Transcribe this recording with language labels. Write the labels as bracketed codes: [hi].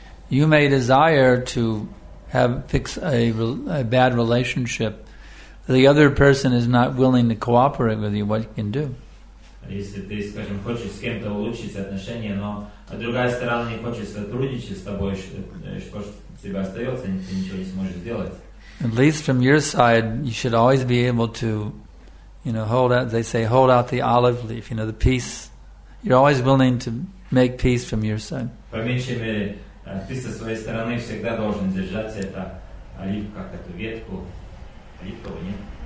[en] You may desire to fix a bad relationship. The other person is not willing to cooperate with you. What you can do? [ru] Если ты, скажем, хочешь с кем-то улучшить отношения, но другая сторона не хочет сотрудничать с тобой, что тебе остается? Ты ничего не сможешь сделать. [en] At least from your side, you should always be able to, you know, hold out. They say, hold out the olive leaf. You know, the peace. You're always willing to make peace from your side. [ru] По меньшей мере. Ты со своей стороны всегда должен держать это оливка, как эту ветку. Оливковый, нет?